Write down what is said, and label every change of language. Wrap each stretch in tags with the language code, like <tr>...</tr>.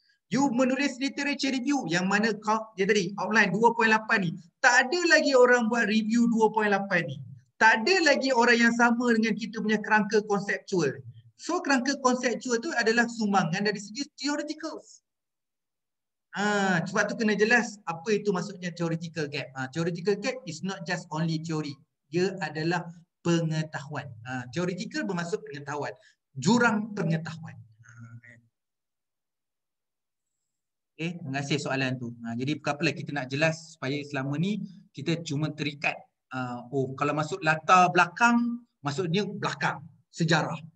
<ms>You menulis literature review yang mana dia tadi outline 2.8 ni. Tak ada lagi orang buat review 2.8 ni. Tak ada lagi orang yang sama dengan kita punya kerangka konseptual. So kerangka konseptual tu adalah sumbangan dari segi theoreticals. Sebab tu kena jelas apa itu maksudnya theoretical gap.</ms> <en>Theoretical gap is not just only theory.</en> <ms>Dia adalah pengetahuan. Theoretical bermaksud pengetahuan. Jurang pengetahuan. Okay, terima kasih soalan tu. Jadi apa kita nak jelas supaya selama ni kita cuma terikat. Kalau masuk latar belakang, maksudnya belakang. Sejarah.</ms>